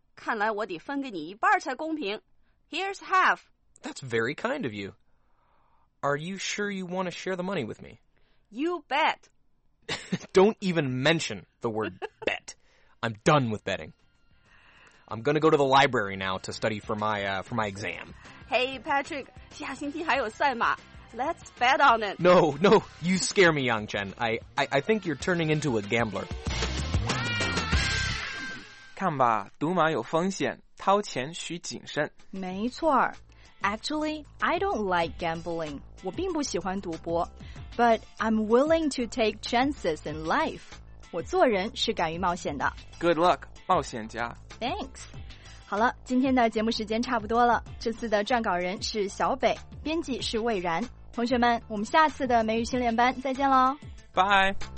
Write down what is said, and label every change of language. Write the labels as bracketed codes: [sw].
[zh] 看来我得分给你一半才公平。 [en] Here's half. That's very kind of you. Are you sure you want to share the money with me? You bet. Don't even mention the word bet. I'm done with betting. I'm going to go to the library now to study for my exam. Hey, Patrick, [zh] 下星期还有赛马。 [en] Let's bet on it. No, no, you scare me, Yang Chen. I think you're turning into a gambler. [zh] 看吧，赌马有风险，掏钱需谨慎。没错。 [en] Actually, I don't like gambling. [zh] 我并不喜欢赌博。 [en] But I'm willing to take chances in life. [zh] 我做人是敢于冒险的。 [en] Good luck, [zh] 冒险家。 [en] Thanks. [zh] 好了，今天的节目时间差不多了。这次的撰稿人是小北，编辑是魏然。同学们，我们下次的美语训练班再见喽。 [en] Bye.